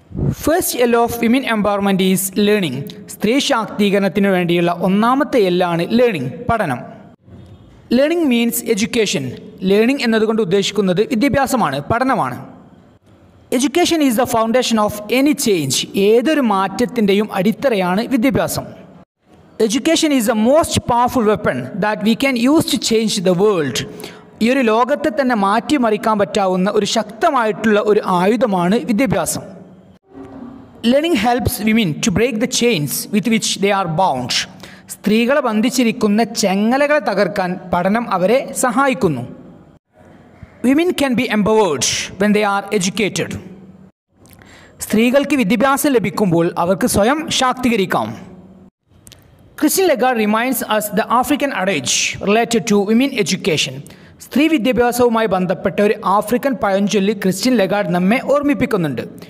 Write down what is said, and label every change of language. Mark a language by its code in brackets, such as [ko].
[en] First L of women empowerment is learning. [ml] സ്ത്രീ ശാക്തീകരണത്തിന് വേണ്ടിയുള്ള ഒന്നാമത്തെ എല്ലാണ് ലേണിംഗ്, പഠനം. [en] Learning means education. [ml] ലേണിംഗ് എന്നതുകൊണ്ട് ഉദ്ദേശിക്കുന്നത് വിദ്യാഭ്യാസമാണ്, പഠനമാണ്. [en] Education is the foundation of any change. [ml] ഏതൊരു മാറ്റത്തിൻ്റെയും അടിത്തറയാണ് വിദ്യാഭ്യാസം. [en] Education is the most powerful weapon that we can use to change the world. [ml] ഈ ഒരു ലോകത്തെ തന്നെ മാറ്റി മറിക്കാൻ പറ്റാവുന്ന ഒരു ശക്തമായിട്ടുള്ള ഒരു ആയുധമാണ് വിദ്യാഭ്യാസം. [en] Learning helps women to break the chains with which they are bound. [ml] സ്ത്രീകളെ ബന്ധിച്ചിരിക്കുന്ന ചെങ്ങലകളെ തകർക്കാൻ പഠനം അവരെ സഹായിക്കുന്നു. [en] Women can be empowered when they are educated. [ml] സ്ത്രീകൾക്ക് വിദ്യാഭ്യാസം ലഭിക്കുമ്പോൾ അവർക്ക് സ്വയം ശാക്തീകരിക്കാം. [en] Christine Lagarde reminds us the African adage related to women education. [ml] സ്ത്രീ വിദ്യാഭ്യാസവുമായി ബന്ധപ്പെട്ട ഒരു ആഫ്രിക്കൻ പഴഞ്ചൊല്ലി ക്രിസ്റ്റ്യൻ ലഗാർഡ് നമ്മെ ഓർമ്മിപ്പിക്കുന്നുണ്ട്.